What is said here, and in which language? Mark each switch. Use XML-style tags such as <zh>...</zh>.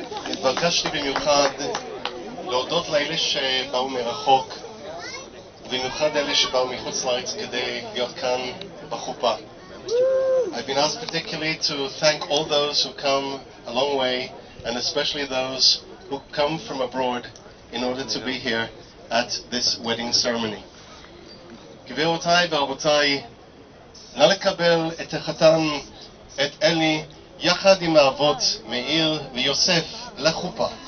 <he>התבקשתי במיוחד להודות לאלה שבאו מרחוק, במיוחד אלה שבאו מחוץ לארץ כדי להיות כאן בחופה.</he> <en>I've been asked particularly to thank all those who come a long way and especially those who come from abroad in order to be here at this wedding ceremony.</en> <he>גבירותיי ורבותיי, נא לקבל את החתן, את אלי, יחד עם האבות מאיר ויוסף לחופה.</he>